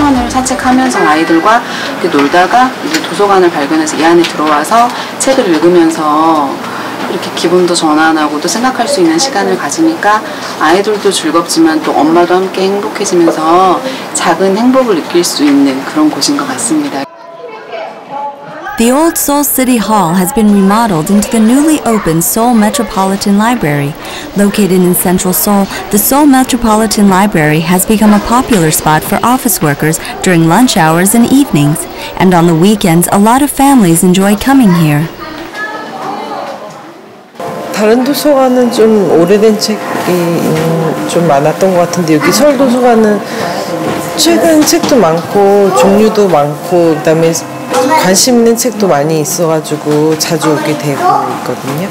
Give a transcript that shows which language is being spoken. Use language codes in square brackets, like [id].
[ko] 산책하면서 아이들과 이렇게 놀다가 이제 도서관을 발견해서 이 안에 들어와서 책을 읽으면서 이렇게 기분도 전환하고 또 생각할 수 있는 시간을 가지니까 아이들도 즐겁지만 또 엄마도 함께 행복해지면서 작은 행복을 느낄 수 있는 그런 곳인 것 같습니다. [en] The old Seoul City Hall has been remodeled into the newly opened Seoul Metropolitan Library. Located in central Seoul, the Seoul Metropolitan Library has become a popular spot for office workers during lunch hours and evenings. And on the weekends, a lot of families enjoy coming here. [ko] 다른 도서관은 좀 오래된 책이 좀 많았던 것 같은데 여기 서울 도서관은 최근 책도 많고 종류도 많고 그다음에 관심 있는 책도 많이 있어가지고 자주 오게 되고 있거든요.